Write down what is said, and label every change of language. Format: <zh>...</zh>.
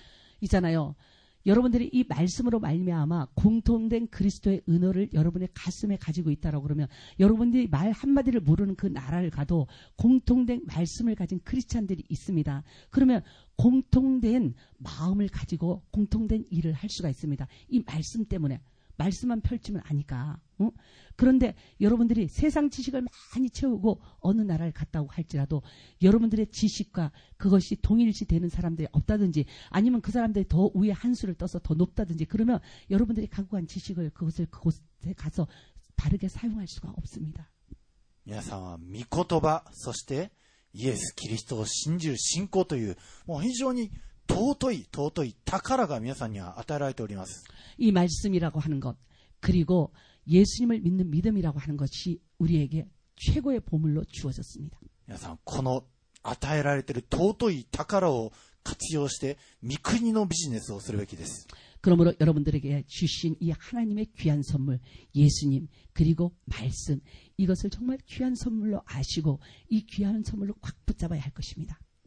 <ko>있잖아요여러분들이이말씀으로말미암아공통된그리스도의은어를여러분의가슴에가지고있다라고그러면여러분들이말한마디를모르는그나라를가도공통된말씀을가진크리스찬들이있습니다그러면공통된마음을가지고공통된일을할수가있습니다이말씀때문에말씀만펼치면아니까응그런데여러분들이세상지식을많이채우고어느나라를갔다고할지라도여러분들의지식과그것이동일시되는사람들이없다든지아니면그사람들이더위에한수를떠서더높다든지그러면여러분들이갖고간지식을그것을그곳에가서다르게사용할수가없습니다</ko> <ja>皆さんは御言葉そしてイエス・キリストを信じる信仰という非常に尊い尊い宝が皆さんには与えられております</ja> <ko>이말씀이라고하는것그리고예수님을믿는믿음이라고하는것이우리에게최고의보물로주어졌습니다</ko> <ja>皆さんこの与えられている尊い宝を活用して御国のビジネスをするべきです</ja> <ko>그러므로여러분들에게주신이하나님의귀한선물예수님그리고말씀이것을정말귀한선물로아시고이귀한선물로꽉붙잡아야할것입니다</ko>